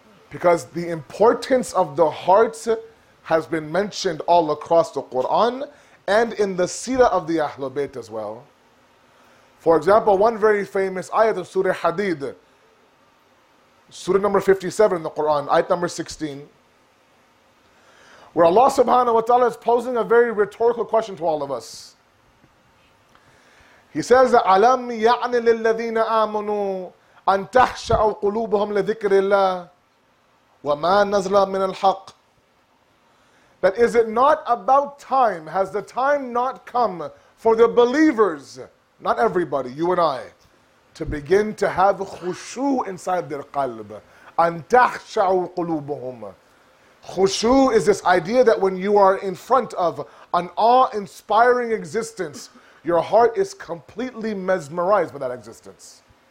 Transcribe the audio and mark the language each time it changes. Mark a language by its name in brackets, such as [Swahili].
[English] Because the importance of the heart has been mentioned all across the Quran and in the seerah of the Ahlul Bayt as well. For example, one very famous ayat of Surah Hadid, Surah number 57 in the Quran, ayat number 16, where Allah subhanahu wa ta'ala is posing a very rhetorical question to all of us. He says, [Arabic] أَلَمْ يَعْنِ لِلَّذِينَ آمَنُوا أَن تَحْشَأُ قُلُوبُهُمْ لِذِكْرِ اللَّهِ وَمَا نَزْلَ مِنَ الْحَقِّ. [English] That is it not about time? Has the time not come for the believers, not everybody, you and I, to begin to have khushu inside their qalb? [Arabic] أَن تَحْشَعُ قُلُوبُهُمْ. [English] Khushu is this idea that when you are in front of an awe-inspiring existence, your heart is completely mesmerized by that existence.